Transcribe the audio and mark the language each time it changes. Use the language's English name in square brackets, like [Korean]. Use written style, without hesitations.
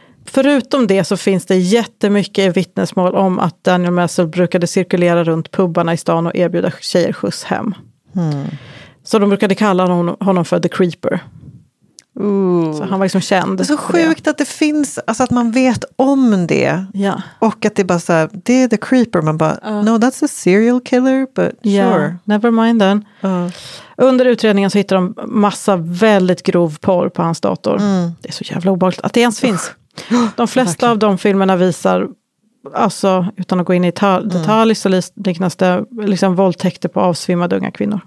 [Swedish] Förutom det så finns det jättemycket vittnesmål om att Daniel Messel brukade cirkulera runt pubbarna i stan och erbjuda tjejer skjuts hem. Mm. Så de brukade kalla honom för The Creeper. Så han var liksom känd. Det är så sjukt att det finns, alltså att man vet om det. [English] Yeah. [Swedish] Och att det är bara så här, det är The Creeper. Man bara, [English] no, that's a serial killer, but yeah, sure. Never mind then. [Swedish] Under utredningen så hittar de massa väldigt grov porr på hans dator. Mm. Det är så jävla obehagligt att det ens finns. De flesta av de filmerna visar, alltså utan att gå in i detalj, så liknas det liksom våldtäkter på avsvimmade unga kvinnor.